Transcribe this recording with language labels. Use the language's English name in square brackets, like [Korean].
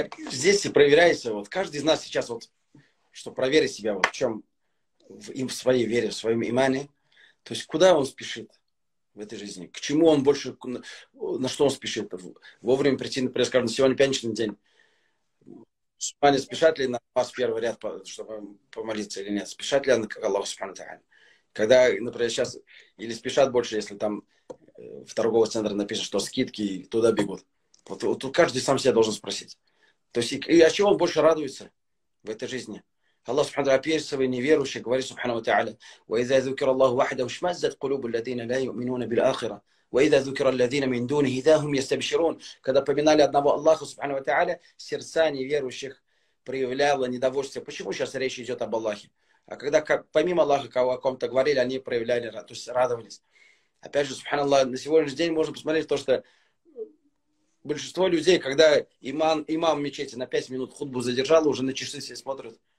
[Russian] Здесь и проверяется, вот каждый из нас сейчас, вот, чтобы проверить себя, вот, в чем, в своей вере, в своем имане, то есть куда он спешит в этой жизни, к чему он больше, на что он спешит, вовремя прийти, например, скажем, на сегодня пятничный день, спешат ли на вас первый ряд, чтобы помолиться или нет? Спешат ли на Аллаху Субхану Тааля? Когда, например, сейчас, или спешат больше, если там в торговый центр напишут, что скидки, туда бегут. Вот каждый сам себя должен спросить. То есть, и о чем он больше радуется в этой жизни? Аллах Субхану Тааля опирает свои неверующие, говорит Субхану Тааля: [Arabic] وَإِذَا ذُكِرَ اللَّهُ وَحْدَهُ اشْمَأَزَّتْ قُلُوبُ الَّذِينَ لَا يُؤْمِنُونَ بِالْآخِرَةِ وَإِذَا ذُكِرَ الَّذِينَ مِنْ دُونِهِ إِذَا هُمْ يَسْتَبْشِرُونَ. [Russian] Когда поминали одного Аллаха, субхану ва тааля, сердца неверующих проявляло недовольство. Почему сейчас речь идет об Аллахе? А когда помимо Аллаха о ком-то говорили, они проявляли, то есть радовались. Опять же, субхану Аллах, на сегодняшний день можно посмотреть то, что большинство людей, когда имам в мечети на 5 минут хутбу задержал, уже на часы все смотрят.